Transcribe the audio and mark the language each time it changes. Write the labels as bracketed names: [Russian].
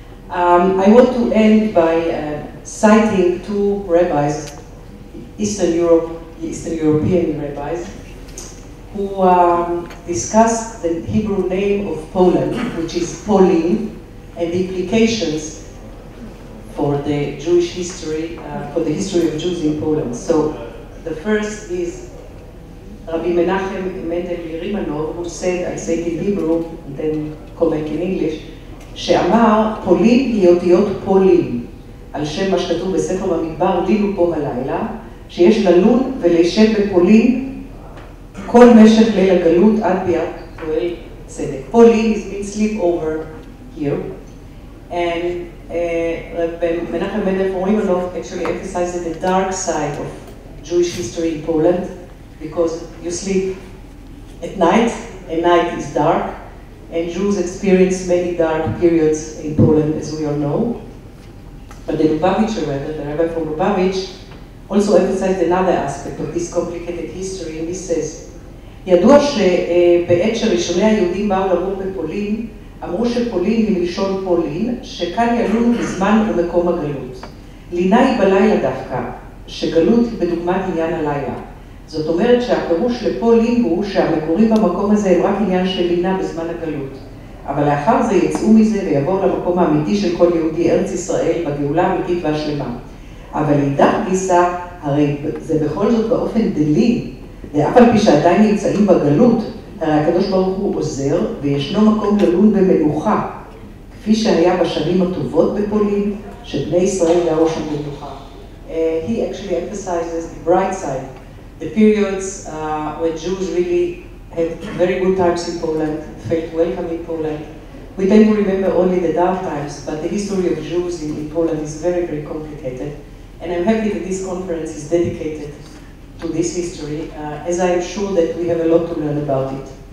[English] I want to end by citing two rabbis, Eastern European rabbis, who discussed the Hebrew name of Poland, which is Pauline, and the implications for the Jewish history, for the history of Jews in Poland. So the first is Rabbi Menachem Mendel Rimanov, who said, I say it in Hebrew, and then come back in English, [Hebrew] שאמר, פולין היא אותיות פולין. על שם מה שכתוב בספר במדבר, לינו פה הלילה, שיש ללון ולישב בפולין כל משך ליל הגלות עד ביאת פועל צדק. [English] פולין is been sleep over here. And Menachem Mendel Roimanov actually emphasizes the dark side of Jewish history in Poland, because you sleep at night, and night is dark, and Jews experience many dark periods in Poland, as we all know. But the Lubavitcher Rebbe, the Rebbe from Lubavitch, also emphasized another aspect of this complicated history, and he says, [Hebrew] ידוע שבעת שראשוני היהודים באו לגור בפולין, אמרו שפולין היא מלשון פולין, שכאן ילון בזמן ומקום הגלות. לינה היא בלילה דווקא, שגלות היא בדוגמת עניין הלילה. זאת אומרת שהפירוש לפולין הוא שהמקורים במקום הזה הם רק עניין של לינה בזמן הגלות. אבל לאחר זה יצאו מזה ויבואו למקום האמיתי של כל יהודי ארץ ישראל בגאולה האמיתית והשלמה. אבל לידך גיסה, הרי זה בכל זאת באופן דלין, ואף על פי שעדיין נמצאים בגלות, הרי הקדוש ברוך הוא עוזר, וישנו מקום גלון במלוכה, כפי שהיה בשנים הטובות בפולין, שבני ישראל היה ראש המלוכה. [English] He actually emphasizes the bright side, the periods when Jews really had very good times in Poland, felt welcome in Poland. We tend to remember only the dark times, but the history of Jews in Poland is very, very complicated. And I'm happy that this conference is dedicated to this history, as I am sure that we have a lot to learn about it.